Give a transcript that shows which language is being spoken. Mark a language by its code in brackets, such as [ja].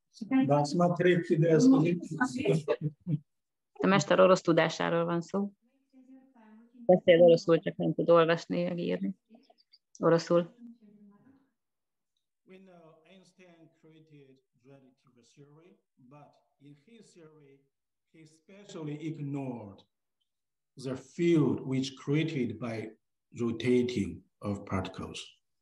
[ru] Да, смотрите, да, смотрите. [hu] Te mester orosz tudásáról van szó. Beszél oroszul, csak nem tud olvasni, meg írni. Oroszul. [en] We know Einstein created relative theory, but in his theory, he specially ignored the field which created by rotating of particles.